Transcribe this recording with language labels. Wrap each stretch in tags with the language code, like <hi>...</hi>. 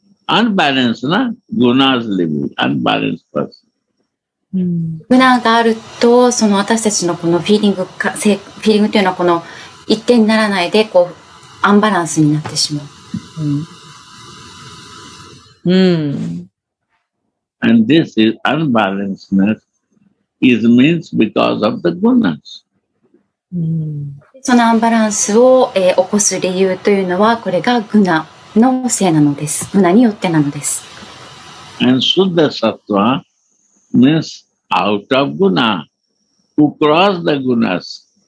<en>Unbalanced, na? Guna's living, unbalanced person.</en> <ja>グナがあると、その私たちのこのフィーリングというのは、この一点にならないでこうアンバランスになってしまう。うん。うん、</ja> <en>And this is unbalancedness is means because of the gunas.、うん、</en> <ja>そのアンバランスを、起こす理由というのはこれがグナのせいなのです。グナによってなのです。</ja> <en>And Shuddha Sattva means out of guna, who cross the gunas.</en>